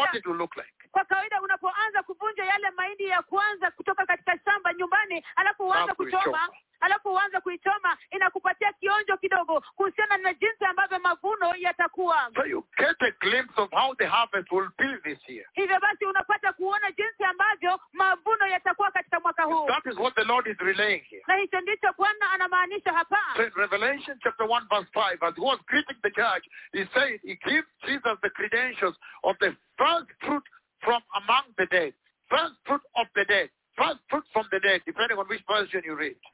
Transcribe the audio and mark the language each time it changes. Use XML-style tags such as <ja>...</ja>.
<en>what it will look like.</en> <sw>Kwa kawaida unapoanza kuvunja yale mahindi ya kwanza kutoka katika shamba nyumbani, alafu uanze kuchoma, inakupatia kionjo kidogo kuhusiana na jinsi ambavyo mavuno yatakuwa.</sw> <en>So you get a glimpse of how the harvest will be this year.</en> <sw>Hivyo basi unapata kuona jinsi ambavyo mavuno yatakuwa katika mwaka huu.</sw> <en>That is what the Lord is relaying here.</en> <sw>Na hicho ndicho Bwana anamaanisha hapa.</sw> <en>So in Revelation chapter 1 verse 5, as he was greeting the church, he said he gives Jesus the credentials of the first fruit from among the dead. First fruit of the dead. First fruit from the dead, depending on which version you read.</en>